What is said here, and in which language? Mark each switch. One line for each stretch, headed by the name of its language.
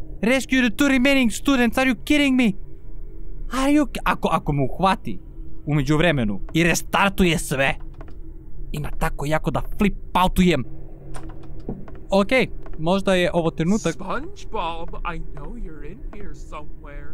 English: Rescue the two remaining students, are you kidding me? Are you...
Serbian: Ako me uhvati umeđu vremenu i restartuje sve, ima tako jako da flip-outujem. Okej, možda je ovo trenutak.
English: SpongeBob, I know you're in here somewhere.